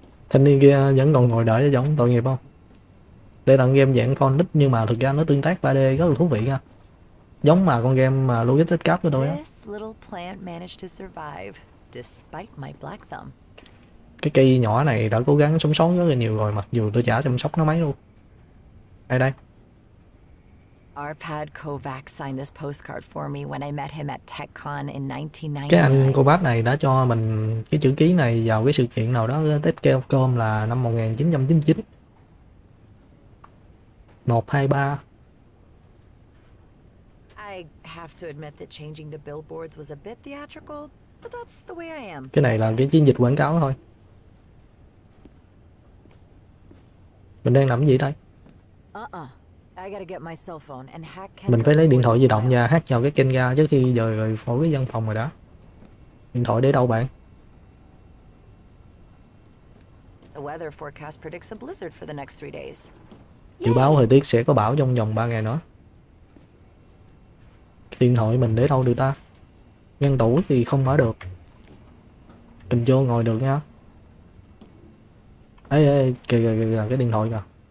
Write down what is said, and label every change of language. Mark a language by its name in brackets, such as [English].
[Vietnamese] Thanh niên kia vẫn còn ngồi đợi cho giống tội nghiệp không? Đây là game dạng con nít nhưng mà thực ra nó tương tác 3D rất là thú vị nha. Giống mà con game mà Logitech Cup của tôi á. [English] This little plant managed to survive despite my black thumb. [Vietnamese] Cái cây nhỏ này đã cố gắng sống sót rất là nhiều rồi mặc dù tôi chả chăm sóc nó mấy luôn. Đây đây. [English] Arpad Kovac signed this postcard for me when I met him at TechCon in 1999. [Vietnamese] Cái anh Kovac này đã cho mình cái chữ ký này vào cái sự kiện nào đó TechCon là năm 1999. 123. [English] I have to admit that changing the billboards was a bit theatrical, but that's the way I am. [Vietnamese] Cái này là cái chiến dịch quảng cáo thôi. Mình đang làm gì đây? [English] I gotta get my cell phone and hack Kendra. [Vietnamese] Mình phải lấy điện thoại di động và hack vào cái Kendra trước khi rời khỏi cái văn phòng rồi đó. Điện thoại để đâu bạn? [English] The weather forecast predicts a blizzard for the next 3 days. [Vietnamese] Dự báo thời tiết sẽ có bão trong vòng 3 ngày nữa. Cái điện thoại mình để đâu được ta? Ngăn tủ thì không mở được. Mình vô ngồi được nha. Ê ê kìa kìa kìa cái điện thoại kìa.